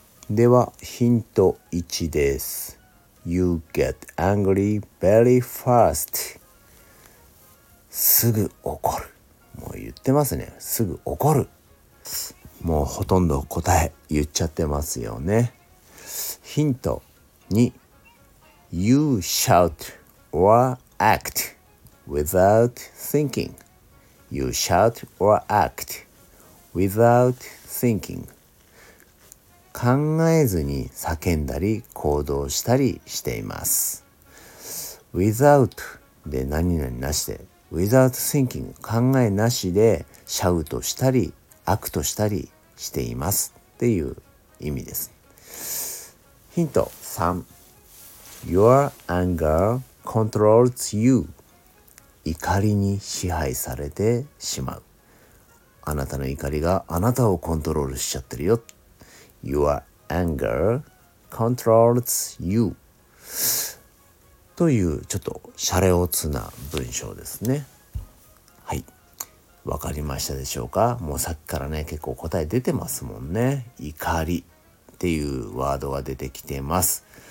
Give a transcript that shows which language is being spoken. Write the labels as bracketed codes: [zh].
[ja] ではヒント1です。 [en] You get angry very fast. [ja] すぐ怒る。もう言ってますね。すぐ怒る。もうほとんど答え言っちゃってますよね。ヒント2。 [en] You shout or act without thinking. You shout or act without thinking. [ja] 考えずに叫んだり行動したりしています。 without で何々なしで、 [en] without thinking、 [ja] 考えなしでシャウトしたりアクトしたりしていますっていう意味です。ヒント3。 [en] Your anger controls you. [ja] 怒りに支配されてしまう。あなたの怒りがあなたをコントロールしちゃってるよ。 [en] Your anger controls you. [ja] というちょっとシャレオツな文章ですね。はい、わかりましたでしょうか。もうさっきからね、結構答え出てますもんね。怒りっていうワードが出てきてます。